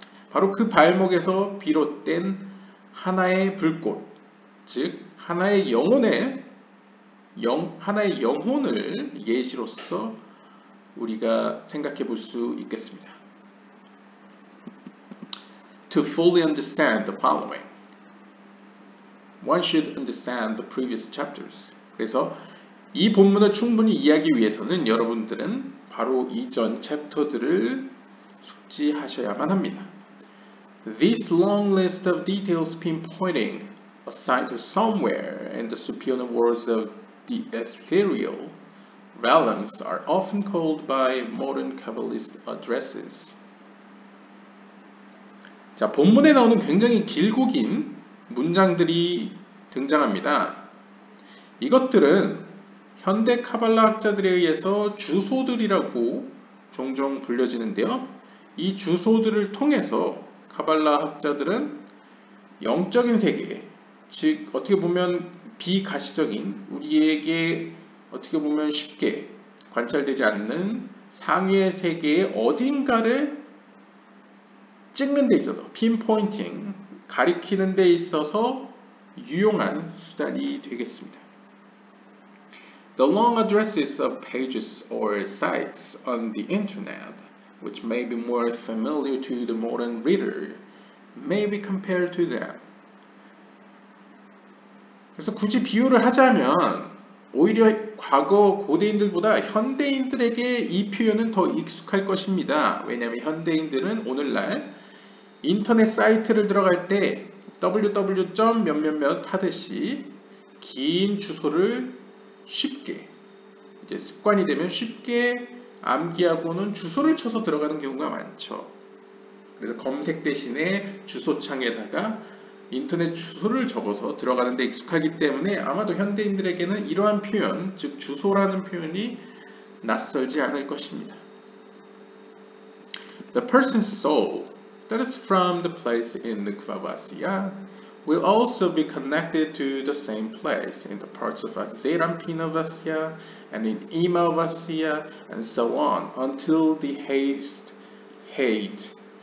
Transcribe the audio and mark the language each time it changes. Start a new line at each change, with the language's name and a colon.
Korean: 바로 그 발목에서 비롯된 하나의 불꽃, 즉 하나의 영혼에 하나의 영혼을 예시로서 우리가 생각해 볼 수 있겠습니다.
English: To fully understand the following, one should understand the previous chapters.
Korean: 그래서 이 본문을 충분히 이해하기 위해서는 여러분들은 바로 이전 챕터들을 숙지하셔야만 합니다.
English: This long list of details pinpointing a site somewhere in the superior worlds of the ethereal realms are often called by modern Kabbalist addresses.
Korean: 자, 본문에 나오는 굉장히 길고 긴 문장들이 등장합니다. 이것들은 현대 카발라 학자들에 의해서 주소들이라고 종종 불려지는데요. 이 주소들을 통해서 카발라 학자들은 영적인 세계, 즉 어떻게 보면 비가시적인 우리에게 어떻게 보면 쉽게 관찰되지 않는 상위의 세계의 어딘가를 찍는 데 있어서 핀포인팅, 가리키는 데 있어서 유용한 수단이 되겠습니다.
English: The long addresses of pages or sites on the internet, which may be more familiar to the modern reader, may be compared to them.
Korean: 그래서 굳이 비유를 하자면 오히려 과거 고대인들보다 현대인들에게 이 표현은 더 익숙할 것입니다. 왜냐하면 현대인들은 오늘날 인터넷 사이트를 들어갈 때 www.몇몇몇 하듯이 긴 주소를 쉽게 이제 습관이 되면 쉽게 암기하고는 주소를 쳐서 들어가는 경우가 많죠. 그래서 검색 대신에 주소창에다가 인터넷 주소를 적어서 들어가는 데 익숙하기 때문에 아마도 현대인들에게는 이러한 표현, 즉 주소라는 표현이 낯설지 않을 것입니다.
English: The person's soul that is from the place in the Kvavasya will also be connected to the same place in the parts of Azerampinavasya and in Imavasya and so on until the highest height